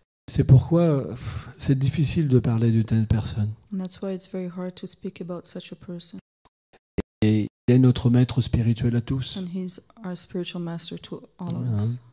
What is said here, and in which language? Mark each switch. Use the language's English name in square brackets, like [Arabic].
[French] C'est pourquoi c'est difficile de parler d'une telle personne. [English] And that's why it's very hard to speak about such a person. [French] Et il est notre maître spirituel à tous. [English] And he's our spiritual master to all of us.